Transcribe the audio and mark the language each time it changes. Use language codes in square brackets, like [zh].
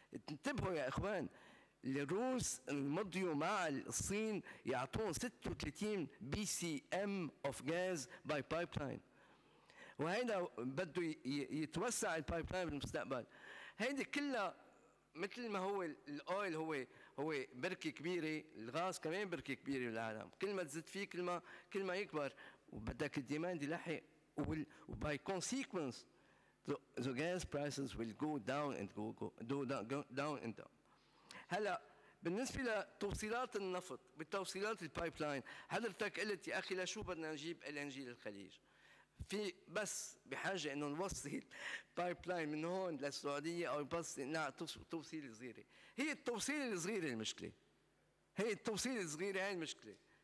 [ar] انتبهوا يا إخوان، الروس المضيوا مع الصين يعطون 36 [en] B C M of غاز by pipeline, [ar] وهيدا بده يتوسع البايبلاين بالمستقبل. هيدي كلها مثل ما هو الاويل هو بركة كبيرة، الغاز كمان بركة كبيرة بالعالم. كل ما تزيد فيه كل ما يكبر، وبدك الديماند يلحق. [en] وباي consequence the gas prices will go down and go down and down. [ar] هلا بالنسبه لتوصيلات النفط بالتوصيلات البايب لاين، حضرتك قلت يا اخي لشو بدنا نجيب ال ان جي للخليج؟ في بس بحاجه انه نوصل بايب لاين من هون للسعوديه او بس توصيل صغيره. هي التوصيل الصغيره المشكله، هي التوصيل الصغيره هي المشكله.